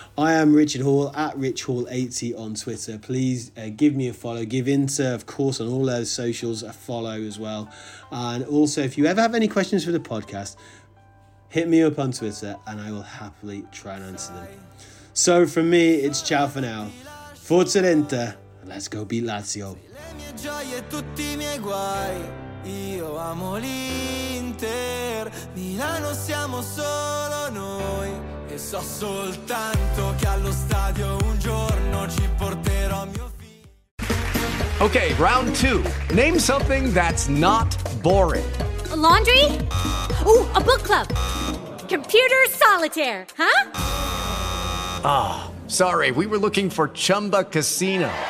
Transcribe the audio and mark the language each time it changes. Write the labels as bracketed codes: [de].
[en] I am Richard Hall, at RichHall80 on Twitter. Please give me a follow. Give Inter, of course, on all those socials, a follow as well. And also, if you ever have any questions for the podcast, hit me up on Twitter and I will happily try and answer them. So from me, it's ciao for now. Forza Inter, let's go beat Lazio. [it] Le mie gioie, tutti i miei guai. Io amo l'Inter. Milano siamo solo noi. E so soltanto che allo stadio un giorno ci porterò mio figlio. [en] Okay, round two. Name something that's not boring. A laundry? Ooh, a book club. Computer solitaire, huh? Ah, oh, sorry, we were looking for Chumba Casino.